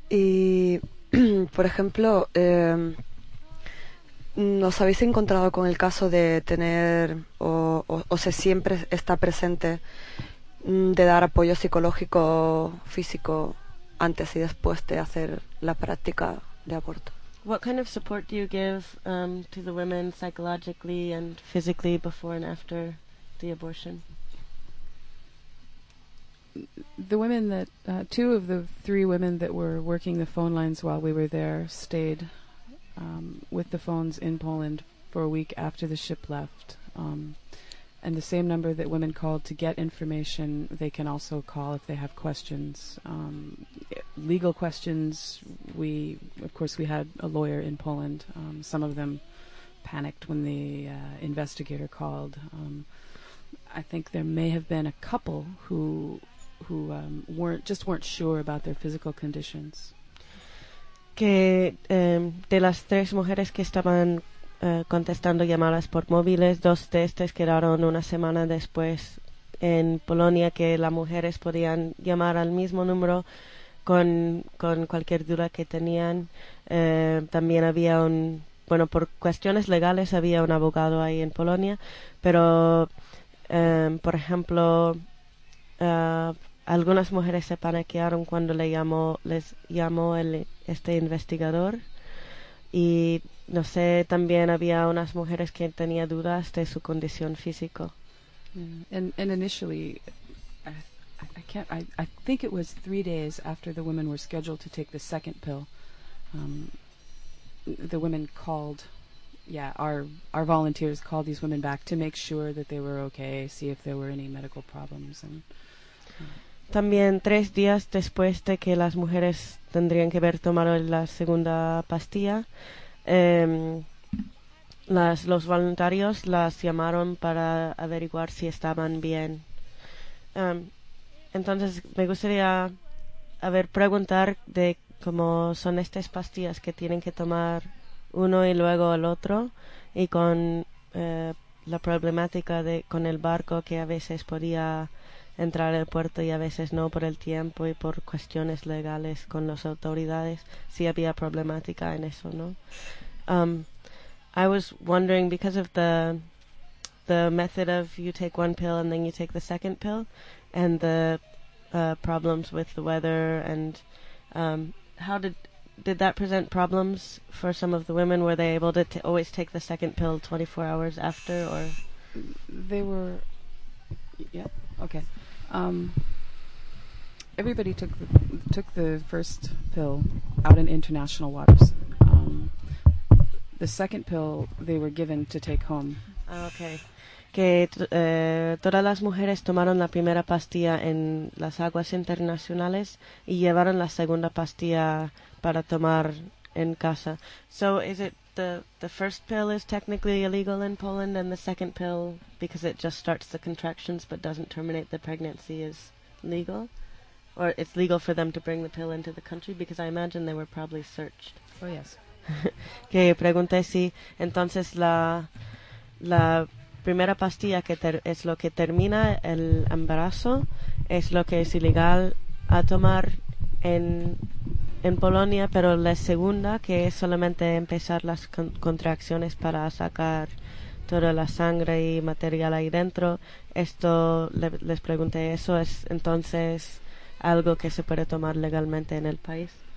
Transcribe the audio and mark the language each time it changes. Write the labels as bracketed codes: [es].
[es] Y, por ejemplo, ¿nos habéis encontrado con el caso de tener, o se siempre está presente, de dar apoyo psicológico, físico, antes y después de hacer la práctica de aborto? [en] What kind of support do you give to the women psychologically and physically before and after the abortion? The women that, two of the three women that were working the phone lines while we were there stayed with the phones in Poland for a week after the ship left. And the same number that women called to get information, they can also call if they have questions. Legal questions, we had a lawyer in Poland. Some of them panicked when the investigator called. I think there may have been a couple who weren't sure about their physical conditions. [es] Que de las tres mujeres que estaban contestando llamadas por móviles, dos de estas quedaron una semana después en Polonia, que las mujeres podían llamar al mismo número con cualquier duda que tenían. También había por cuestiones legales había un abogado ahí en Polonia, pero por ejemplo, algunas mujeres se paniquearon cuando les llamó este investigador. Y no sé, también había unas mujeres que tenían dudas de su condición físico. [en] And initially, I think it was 3 days after the women were scheduled to take the second pill, the women called, our volunteers called these women back to make sure that they were okay, see if there were any medical problems. And [es] también 3 días después de que las mujeres tendrían que haber tomado la segunda pastilla, los voluntarios las llamaron para averiguar si estaban bien. Entonces me gustaría preguntar de cómo son estas pastillas que tienen que tomar uno y luego el otro, y con la problemática de con el barco, que a veces podía entrar al puerto y a veces no por el tiempo y por cuestiones legales con las autoridades, si había problemática en eso, ¿no? [en] I was wondering, because of the method of you take one pill and then you take the second pill, and the problems with the weather, and how did that present problems for some of the women? Were they able to always take the second pill 24 hours after, or they were? Yeah. Okay. Everybody took the first pill out in international waters. The second pill they were given to take home. Okay. [es] que todas las mujeres tomaron la primera pastilla en las aguas internacionales y llevaron la segunda pastilla para tomar en casa. [en] So is it the first pill is technically illegal in Poland, and the second pill, because it just starts the contractions but doesn't terminate the pregnancy, is legal? Or it's legal for them to bring the pill into the country? Because I imagine they were probably searched. Oh, yes. [es] Que pregunté si entonces la primera pastilla que es lo que termina el embarazo es lo que es ilegal a tomar en Polonia, pero la segunda, que es solamente empezar las contracciones para sacar toda la sangre y material ahí dentro, esto les pregunté, eso es entonces algo que se puede tomar legalmente en el país.